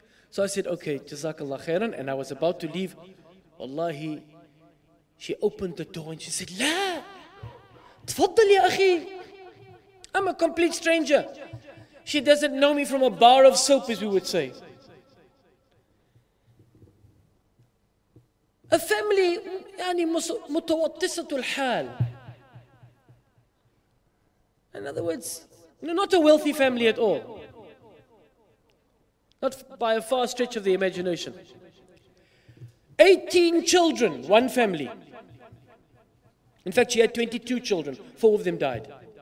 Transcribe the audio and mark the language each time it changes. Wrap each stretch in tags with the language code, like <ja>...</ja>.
<en>So I said, okay, Jazakallah khairan. And I was about to leave. Wallahi, she opened the door and she said, La!</en> <ar>Tfaddal ya akhi.</ar> <en>I'm a complete stranger. She doesn't know me from a bar of soap, as we would say. A family,</en> <ar>يعني متوسط الحال.</ar> <en>In other words, not a wealthy family at all. Not by a far stretch of the imagination. 18 children, one family. In fact, she had 22 children. Four of them died.</en>